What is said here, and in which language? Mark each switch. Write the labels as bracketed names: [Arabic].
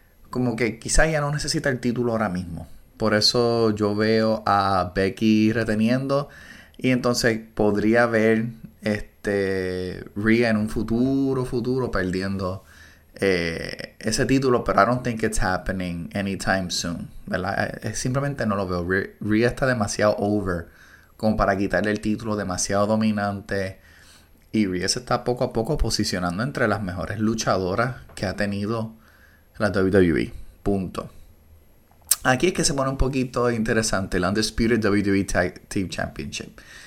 [Spanish] Como que quizá ya no necesita el título ahora mismo. Por eso yo veo a Becky reteniendo. Y entonces podría haber Rhea en un futuro, futuro, perdiendo ese título. Pero [English] I don't think it's happening anytime soon, [Spanish] ¿verdad? Simplemente no lo veo. Rhea está demasiado over como para quitarle el título, demasiado dominante. Y Rhea se está poco a poco posicionando entre las mejores luchadoras que ha tenido la WWE. Punto. Aquí es que se pone un poquito interesante el Undisputed WWE Tag Team Championship.